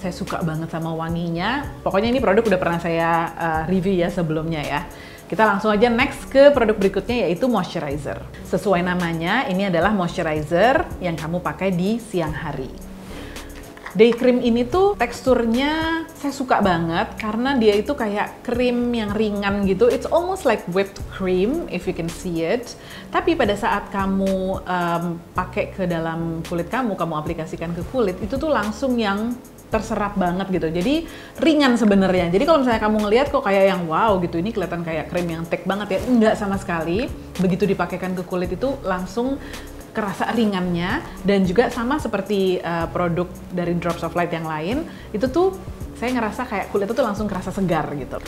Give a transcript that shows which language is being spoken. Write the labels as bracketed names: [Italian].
[Indonesian] Saya suka banget sama wanginya. Pokoknya ini produk udah pernah saya review ya sebelumnya ya. Kita langsung aja next ke produk berikutnya, yaitu moisturizer. Sesuai namanya, ini adalah moisturizer yang kamu pakai di siang hari. Day cream ini tuh teksturnya saya suka banget karena dia itu kayak krim yang ringan gitu. [English] It's almost like whipped cream if you can see it. [Indonesian] Tapi pada saat kamu pakai ke dalam kulit kamu, kamu aplikasikan ke kulit, itu tuh langsung yang terserap banget gitu. Jadi ringan sebenarnya. Jadi kalau misalnya kamu ngelihat kok kayak yang wow gitu, ini kelihatan kayak krim yang thick banget ya. Enggak sama sekali. Begitu dipakaikan ke kulit itu langsung kerasa ringannya, dan juga sama seperti produk dari Drops of Light yang lain, itu tuh saya ngerasa kayak kulit itu langsung kerasa segar gitu.